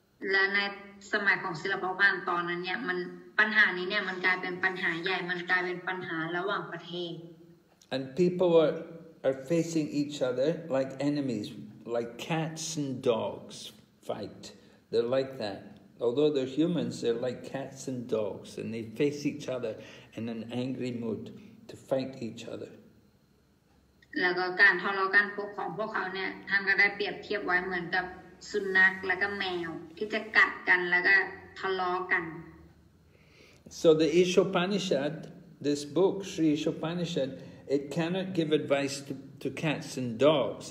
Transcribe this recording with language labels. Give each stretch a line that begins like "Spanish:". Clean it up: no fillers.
Thai: และในสมัยของศิลปกรตอนนั้นเนี่ยมันปัญหานี้เนี่ยมันกลายเป็นปัญหาใหญ่มันกลายเป็นปัญหาระหว่างประเทศ
English: And people are facing each other like enemies like cats and dogs fight they're like that although they're humans they're like cats and dogs and they face each other in an angry mood to fight each other
Thai: แล้วก็การทะเลาะกันของพวกเขาเนี่ยท่านก็ได้เปรียบเทียบไว้เหมือนกับสุนัขแล้วก็แมวที่จะกัดกันแล้วก็ทะเลาะกัน
English: So the Ishopanishad, this book, Sri Ishopanishad, it cannot give advice to cats and dogs.